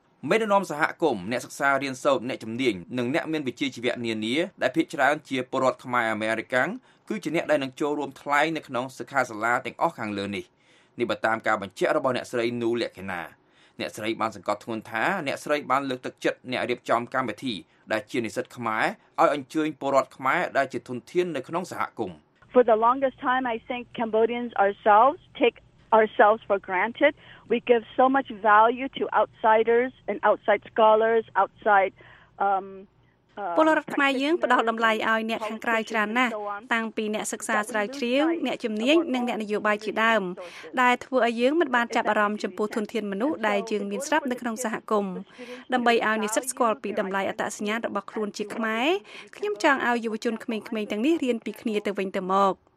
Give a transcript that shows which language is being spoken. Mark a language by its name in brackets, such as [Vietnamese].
[Khmer] មេដឹកនាំសហគមន៍អ្នកសិក្សារៀនសូត្រអ្នកជំនាញនិងអ្នកមានវិជ្ជាជីវៈនានាដែលភាគច្រើនជាពលរដ្ឋខ្មែរអាមេរិកាំងគឺជាអ្នកដែលនឹងចូលរួមថ្លែងនៅក្នុងសិក្ខាសាលាទាំងអស់ខាងលើនេះនេះបតាមការបញ្ជាក់របស់អ្នកស្រីនូលក្ខិណាអ្នកស្រីបានសង្កត់ធ្ងន់ថាអ្នកស្រីបានលើកទឹកចិត្តអ្នករៀបចំកម្មវិធីដែលជានិស្សិតខ្មែរឲ្យអញ្ជើញពលរដ្ឋខ្មែរដែលជាធនធាននៅក្នុងសហគមន៍ [English] For the longest time I think Cambodians ourselves take ourselves for granted. We give so much value to outsiders and outside scholars, outside [Khmer] ពលរដ្ឋខ្មែរយើងផ្ដល់តម្លៃឲ្យអ្នកខាងក្រៅច្រើនណាស់តាំងពីអ្នកសិក្សាស្រាវជ្រាវអ្នកជំនាញនិងអ្នកនយោបាយជាដើមដែលធ្វើឲ្យយើងមិនបានចាប់អារម្មណ៍ចំពោះធនធានមនុស្សដែលយើងមានស្រាប់នៅក្នុងសហគមន៍ដើម្បីឲ្យនិស្សិតស្គាល់ពីតម្លៃអត្តសញ្ញាណរបស់ខ្លួនជាខ្មែរខ្ញុំចង់ឲ្យយុវជនក្មេងៗទាំងនេះរៀនពីគ្នាទៅវិញទៅមក